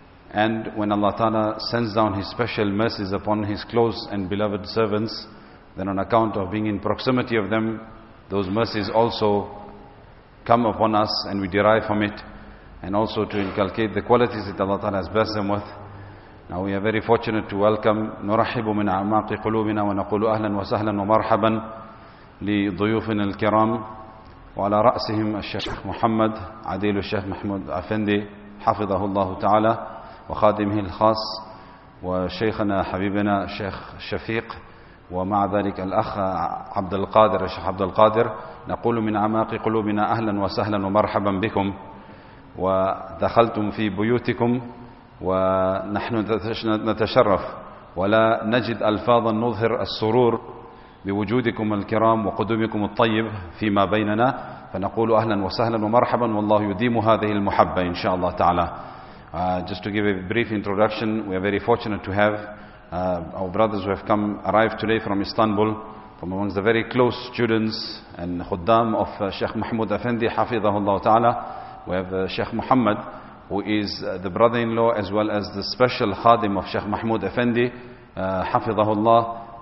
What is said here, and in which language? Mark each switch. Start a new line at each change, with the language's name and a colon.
English: And when Allah Ta'ala sends down His special mercies upon His close and beloved servants, then on account of being in proximity of them, those mercies also come upon us and we derive from it, and also to inculcate the qualities that Allah Ta'ala has blessed them with. Now we are very fortunate to welcome
Arabic: نُرَحِّبُ مِنْ أَعْمَاقِ قُلُوبِنَا وَنَقُولُ أَهْلًا وَسَهْلًا وَمَرْحَبًا لِضُيُوفِنَا الْكِرَامِ وَعَلَى رَأْسِهِمْ الشَّيْخ مُحَمَّدْ عَدِيلُ الشَّيْخ مُحَمَّدْ أَفَنْدِي حَفِظَهُ اللَّهُ تَعَالَى وخادمه الخاص وشيخنا حبيبنا الشيخ شفيق ومع ذلك الأخ عبد القادر الشيخ عبد القادر. نقول من أعماق قلوبنا أهلا وسهلا ومرحبا بكم ودخلتم في بيوتكم ونحن نتشرف ولا نجد ألفاظا نظهر السرور بوجودكم الكرام وقدومكم الطيب فيما بيننا, فنقول أهلا وسهلا ومرحبا والله يديم هذه المحبة إن شاء الله تعالى.
English: Just to give a brief introduction, we are very fortunate to have our brothers who have come arrived today from Istanbul, from amongst the very close students and khuddam of Sheikh Mahmoud Afendi, hafidhahullah ta'ala. We have Sheikh Muhammad, who is the brother-in-law as well as the special khadim of Sheikh Mahmoud Afendi, hafidhahullah.